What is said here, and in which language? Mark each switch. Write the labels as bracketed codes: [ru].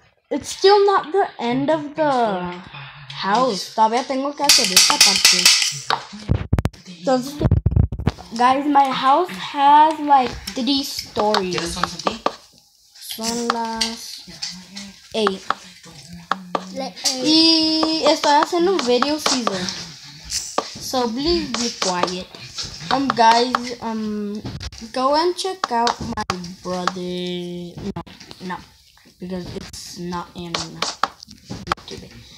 [en] It's still not the end of the house. [es] Todavía tengo que hacer esta parte. [en] Guys, my house has like 3 stories. [es] Son las 8. Y estoy haciendo un video season. [en] So please be quiet. Guys, go and check out my brother. No, because it's not in YouTube.